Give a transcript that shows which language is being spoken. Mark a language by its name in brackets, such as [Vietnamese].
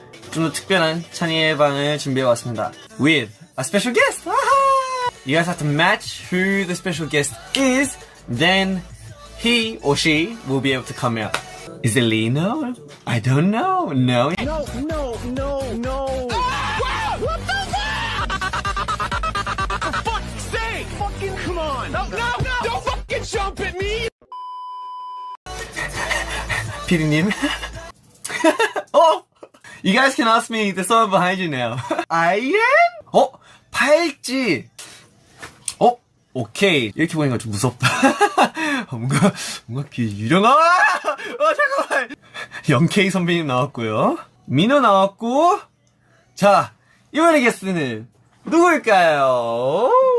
[Korean] 좀 더 특별한 찬이의 방을 준비해왔습니다. [English] With a special guest. You guys have to match who the special guest is. Then he or she will be able to come out. Is it Lino? I don't know. No. No, no, no, no. Ah! What the fuck? For fuck's sake. Fucking come on. No, no, no. Don't fucking jump at me. [Korean] PD님. [English] You guys can ask me the song behind you now. I am? [Korean] 어? 팔찌! 어? 오케이. 이렇게 보니까 좀 무섭다. 뭔가 귀 유령아! 어, 잠깐만! 영케이 선배님 나왔고요. 민호 나왔고. 자, 이번에 게스트는 누굴까요?